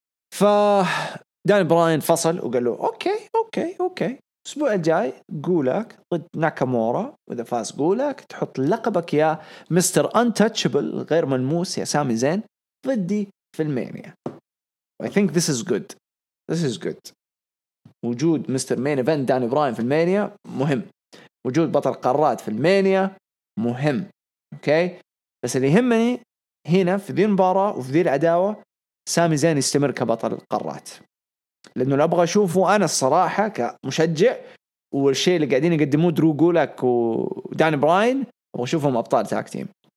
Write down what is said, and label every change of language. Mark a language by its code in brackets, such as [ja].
[ar] فداني براين فصل وقال له اوكي اوكي اوكي الاسبوع الجاي قولك ضد ناكامورا, واذا فاز قولك تحط لقبك يا مستر انتاتشبل غير ملموس يا سامي زين ضدي في المينيا. [en] I think this is good, this is good. [ar] وجود مستر مين ايفنت داني براين في المينيا مهم, وجود بطل قارات في المينيا مهم. اوكي بس اللي يهمني هنا في ذي المباراة وفي ذي العداوة سامي زين يستمر كبطل القارات, لأنه أبغى أشوفه أنا الصراحة كمشجع, والشيء اللي قاعدين يقدموه درو قولك وداني براين أبغى أشوفهم أبطال تاك تيم